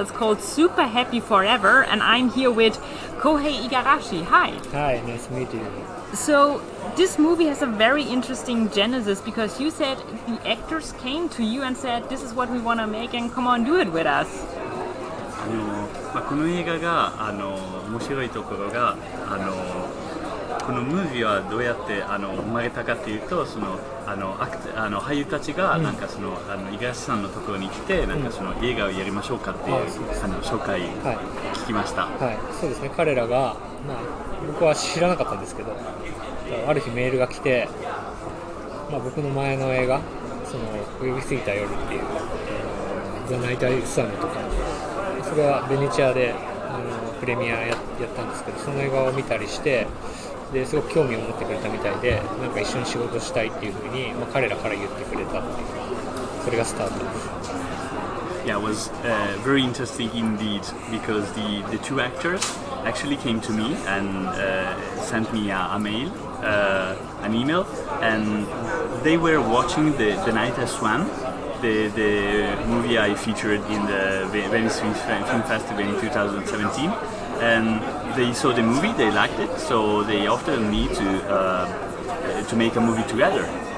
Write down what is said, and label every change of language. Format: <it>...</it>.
<en>It's called Super Happy Forever, and I'm here with Kohei Igarashi. Hi. Hi, nice to meet you. So this movie has a very interesting genesis, because you said the actors came to you and said, this is what we want to make and come on, do it with us.</en> <ja>この映画が面白いところが、このムービーはどうやって生まれたかっていうと、俳優たちが五十嵐さんのところに来て、なんかその映画をやりましょうかっていう、紹介を聞きました。はいはい、そうですね、彼らが、僕は知らなかったんですけど、ある日メールが来て、僕の前の映画、その呼びすぎた夜っていう、The Night I Saw Youとか、それはベネチアでプレミア やったんですけど、その映画を見たりして、ですごく興味を持ってくれたみたいで、なんか一緒に仕事したいっていうふうに、彼らから言ってくれたっていう、それがスタートです。</ja> <en>Yeah, it was very interesting indeed, because the two actors actually came to me and sent me an email, and they were watching the Night I Swam, the movie I featured in the Venice Film Festival in 2017, and they saw the movie, they liked it, so they offered me to make a movie together.</en>